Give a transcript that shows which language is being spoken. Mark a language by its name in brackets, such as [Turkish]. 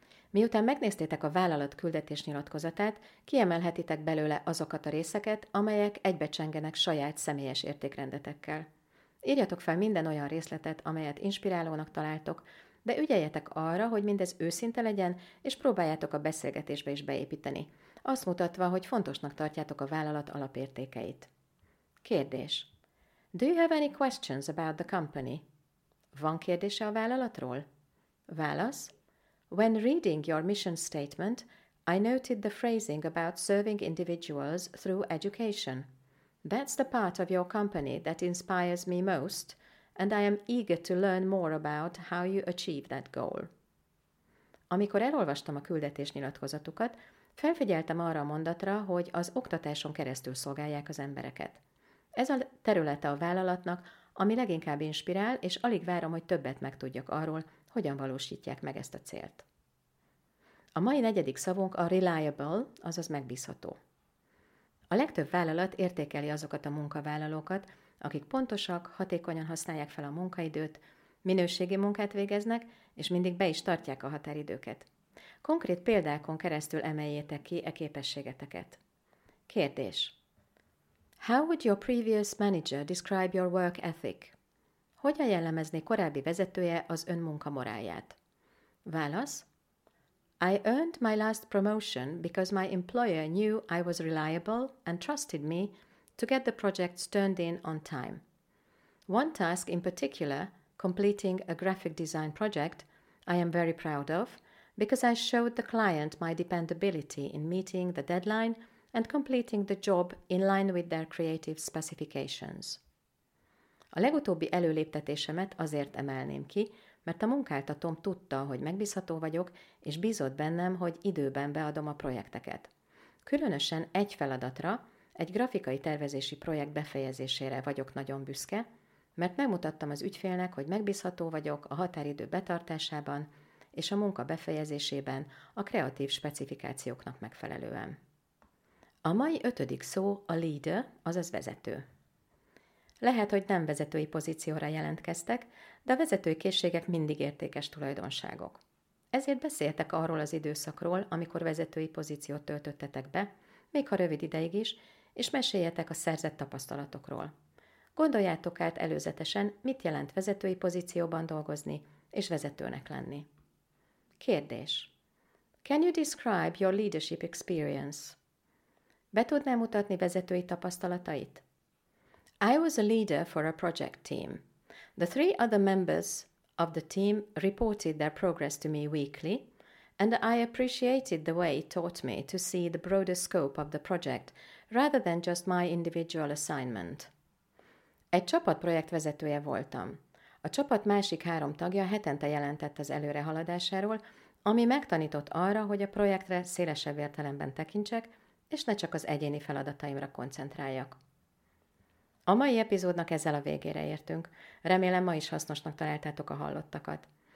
[Hungarian] Miután megnéztétek a vállalat küldetésnyilatkozatát, kiemelhetitek belőle azokat a részeket, amelyek egybecsengenek saját személyes értékrendetekkel. Írjatok fel minden olyan részletet, amelyet inspirálónak találtok, de ügyeljetek arra, hogy mindez őszinte legyen, és próbáljátok a beszélgetésbe is beépíteni, azt mutatva, hogy fontosnak tartjátok a vállalat alapértékeit. Kérdés. [English] Do you have any questions about the company? [Hungarian] Van kérdése a vállalatról? Válasz. [English] When reading your mission statement, I noted the phrasing about serving individuals through education. That's the part of your company that inspires me most, and I am eager to learn more about how you achieve that goal. [Hungarian] Amikor elolvastam a küldetésnyilatkozatukat, felfigyeltem arra a mondatra, hogy az oktatáson keresztül szolgálják az embereket. Ez a területe a vállalatnak, ami leginkább inspirál, és alig várom, hogy többet megtudjak arról, hogyan valósítják meg ezt a célt. A mai negyedik szavunk a reliable, azaz megbízható. A legtöbb vállalat értékeli azokat a munkavállalókat, akik pontosak, hatékonyan használják fel a munkaidőt, minőségi munkát végeznek, és mindig be is tartják a határidőket. Konkrét példákon keresztül emeljétek ki e képességeteket. Kérdés. [English] How would your previous manager describe your work ethic? [Hungarian] Hogyan jellemezné korábbi vezetője az ön munkamoráját? Válasz. [English] I earned my last promotion because my employer knew I was reliable and trusted me to get the projects turned in on time. One task in particular, completing a graphic design project, I am very proud of, because I showed the client my dependability in meeting the deadline and completing the job in line with their creative specifications. [Hungarian] A legutóbbi előléptetésemet azért emelném ki, mert a munkáltatóm tudta, hogy megbízható vagyok, és bízott bennem, hogy időben beadom a projekteket. Különösen egy feladatra, egy grafikai tervezési projekt befejezésére vagyok nagyon büszke, mert megmutattam az ügyfélnek, hogy megbízható vagyok a határidő betartásában és a munka befejezésében a kreatív specifikációknak megfelelően. A mai ötödik szó a leader, azaz vezető. Lehet, hogy nem vezetői pozícióra jelentkeztek, de a vezetői készségek mindig értékes tulajdonságok. Ezért beszéltek arról az időszakról, amikor vezetői pozíciót töltöttetek be, még ha rövid ideig is, és meséljetek a szerzett tapasztalatokról. Gondoljátok át előzetesen, mit jelent vezetői pozícióban dolgozni és vezetőnek lenni. Kérdés. [English] Can you describe your leadership experience? [Hungarian] Be tudnál mutatni vezetői tapasztalatait? [English] I was a leader for a project team. The three other members of the team reported their progress to me weekly, and I appreciated the way it taught me to see the broader scope of the project rather than just my individual assignment. [Hungarian] Egy csapatprojekt vezetője voltam. A csapat másik három tagja hetente jelentett az előrehaladásáról, ami megtanított arra, hogy a projektre szélesebb értelemben tekintsek, és ne csak az egyéni feladataimra koncentráljak. A mai epizódnak ezzel a végére értünk. Remélem, ma is hasznosnak találtátok a hallottakat.